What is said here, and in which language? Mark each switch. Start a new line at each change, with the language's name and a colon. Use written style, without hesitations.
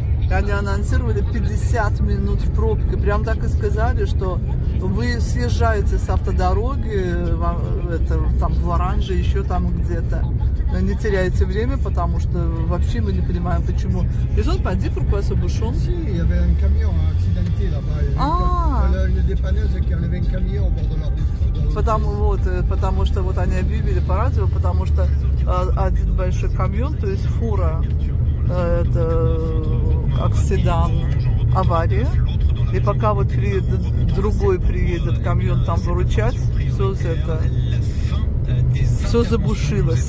Russian: Они анонсировали 50 минут в пробке. Прям так и сказали, что вы съезжаете с автодороги, это, там в Оранже, еще там где-то. Не теряете время, потому что вообще мы не понимаем, почему. И тут поди про кое-что бушон.
French: Si, il y avait un camion accidenté là-bas. Une dépanneuse qui enlevait un camion au bord de la route.
Russian: Потому, вот, потому что вот они объявили по радио, потому что один большой камион, то есть фура, это акседан, авария. И пока вот приедет, другой приедет камьон там выручать, все это, все забушилось.